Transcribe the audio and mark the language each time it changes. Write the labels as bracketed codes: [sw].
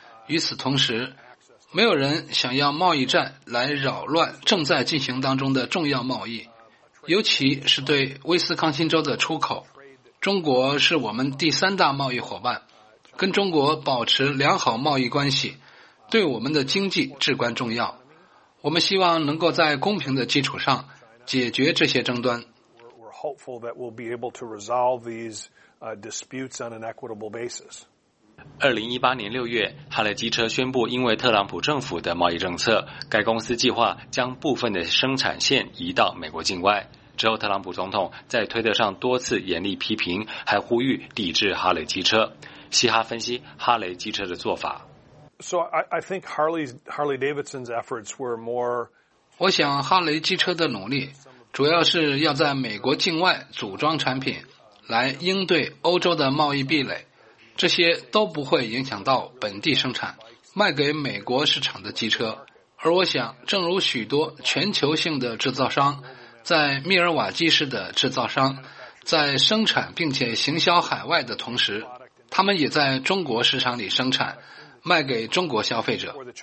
[zh] 与此同时，没有人想要贸易战来扰乱正在进行当中的重要贸易，尤其是对威斯康星州的出口。中国是我们第三大贸易伙伴，跟中国保持良好贸易关系，对我们的经济至关重要。我们希望能够在公平的基础上解决这些争端。 [en] We're hopeful that we'll be able to resolve these disputes on an equitable basis. [zh] 2018年6月，哈雷机车宣布，因为特朗普政府的贸易政策，该公司计划将部分的生产线移到美国境外。之后，特朗普总统在推特上多次严厉批评，还呼吁抵制哈雷机车。嘻哈分析哈雷机车的做法。 [en] So I think Harley-Davidson's efforts were more. [zh] 我想哈雷机车的努力主要是要在美国境外组装产品，来应对欧洲的贸易壁垒。这些都不会影响到本地生产、卖给美国市场的机车。而我想，正如许多全球性的制造商，在密尔瓦基市的制造商，在生产并且行销海外的同时，他们也在中国市场里生产，卖给中国消费者。